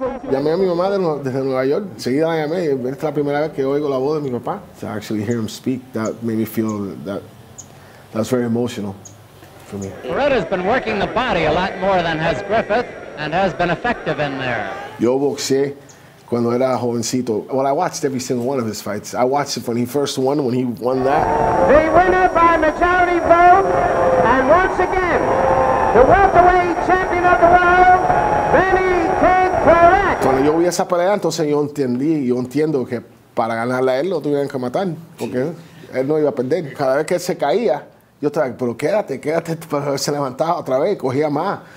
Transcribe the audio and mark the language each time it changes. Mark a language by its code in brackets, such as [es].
[es] Llamé a mi mamá desde Nueva York, enseguida la llamé. Esta es la primera vez que oigo la voz de mi papá. [en] To actually hear him speak, that made me feel that was very emotional for me. Paret has been working the body a lot more than has Griffith, and has been effective in there. [es] Yo boxé cuando era jovencito. [en] Well, I watched every single one of his fights. I watched it when he first won, when he won that. The winner by majority vote, and once again, the welterweight champion of the world, Benny Kid Paret. [es] Cuando yo vi esa pelea, entonces yo entiendo que para ganarle a él lo tuvieron que matar, porque él no iba a perder. Cada vez que él se caía, yo estaba, pero quédate, pero él se levantaba otra vez, cogía más.